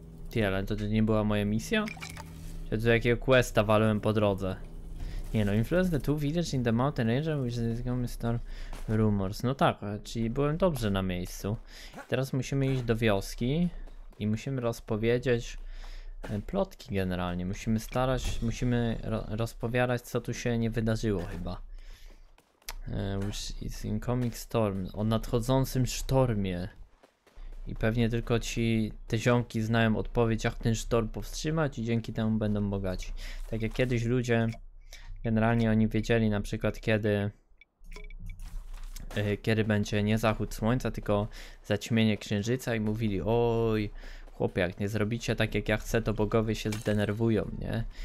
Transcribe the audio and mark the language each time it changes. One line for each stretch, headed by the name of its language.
Polish: Tyle, to nie była moja misja? Czy tu jakiego questa walłem po drodze? Nie no,
English: influence the two village in the mountain range, which is going to start rumors.
Polish: No tak, czyli byłem dobrze na miejscu. Teraz musimy iść do wioski i musimy rozpowiedzieć plotki generalnie. Musimy rozpowiadać, co tu się nie wydarzyło chyba.
English: Which is incoming storm.
Polish: O nadchodzącym sztormie. I pewnie tylko ci te ziomki znają odpowiedź, jak ten sztorm powstrzymać i dzięki temu będą bogaci. Tak jak kiedyś ludzie, generalnie oni wiedzieli na przykład kiedy będzie nie zachód słońca, tylko zaćmienie księżyca i mówili: oj, chłopie, jak nie zrobicie tak jak ja chcę, to bogowie się zdenerwują, nie?